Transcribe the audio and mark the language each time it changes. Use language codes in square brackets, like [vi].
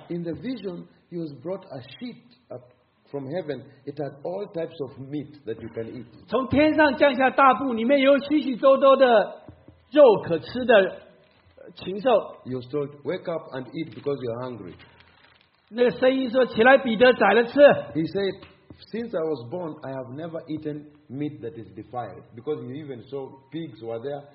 [en] In the vision, he was brought a sheet from heaven, it had all types of meat that you can eat. [zh] 从天上降下大布，里面有许许多多的肉可吃的禽兽。 [en] He was told, "Wake up and eat because you are hungry." [zh] 那个声音说，起来，彼得宰了吃。 [en] He said, "Since I was born, I have never eaten meat that is defiled, because you even saw pigs were there."